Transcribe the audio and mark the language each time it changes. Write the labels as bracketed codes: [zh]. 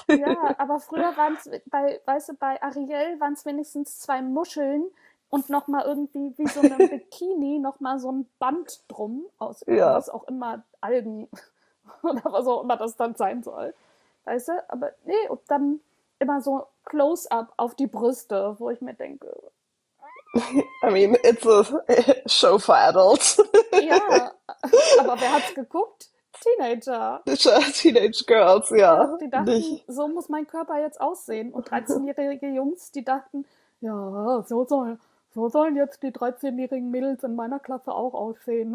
[de] Ja, aber früher waren es weißt du, bei Ariel waren es wenigstens 2 Muscheln und noch mal irgendwie wie so einem Bikini noch mal so ein Band drum aus Ja. was auch immer Algen oder was auch immer das dann sein soll. Weißt du, aber nee, und dann immer so Close-up auf die Brüste, wo ich mir denke. [en] I mean, it's a show for adults. [de] Ja, aber wer hat's geguckt? Teenager. [en] Teenage Girls, [de] Ja, ja, die dachten, nicht. so muss mein Körper jetzt aussehen. Und 13-jährige Jungs, die dachten, ja, so sollen jetzt die 13-jährigen Mädels in meiner Klasse auch aussehen.